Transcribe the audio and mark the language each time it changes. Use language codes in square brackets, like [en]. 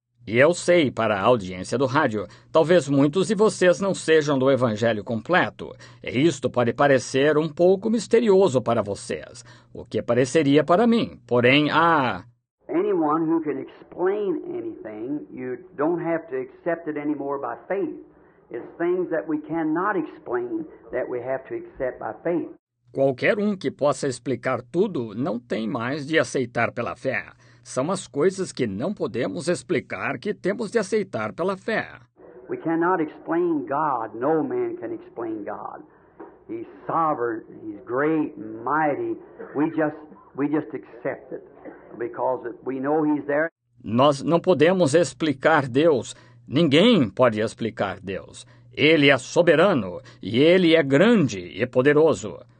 [pt] E eu sei, para a audiência do rádio, talvez muitos de vocês não sejam do Evangelho completo. E isto pode parecer um pouco misterioso para vocês, o que pareceria para mim. Porém, há. [en] Anyone who can explain anything, you don't have to accept it anymore by faith. It's things that we cannot explain that we have to accept by faith. [pt] Qualquer um que possa explicar tudo não tem mais de aceitar pela fé. São as coisas que não podemos explicar que temos de aceitar pela fé. [en] We cannot explain God. No man can explain God. He's sovereign, he's great, mighty. We just accept it because we know he's there. [pt] Nós não podemos explicar Deus. Ninguém pode explicar Deus. Ele é soberano e ele é grande e poderoso.